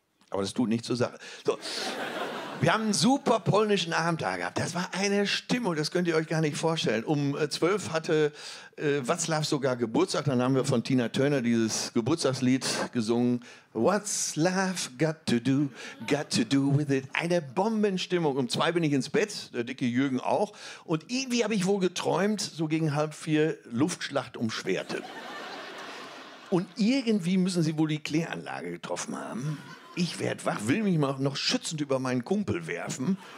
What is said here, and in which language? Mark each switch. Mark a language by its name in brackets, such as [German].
[German] Aber das tut nichts zur Sache. So. Wir haben einen super polnischen Abend da gehabt. Das war eine Stimmung, das könnt ihr euch gar nicht vorstellen. Um 12 hatte Watzlaw sogar Geburtstag. Dann haben wir von Tina Turner dieses Geburtstagslied gesungen. [English] What's love got to do with it? [German] Eine Bombenstimmung. Um 2 bin ich ins Bett, der dicke Jürgen auch. Und irgendwie habe ich wohl geträumt, so gegen 3:30 Luftschlacht um Schwerte. Und irgendwie müssen sie wohl die Kläranlage getroffen haben. Ich werde wach, will mich mal noch schützend über meinen Kumpel werfen.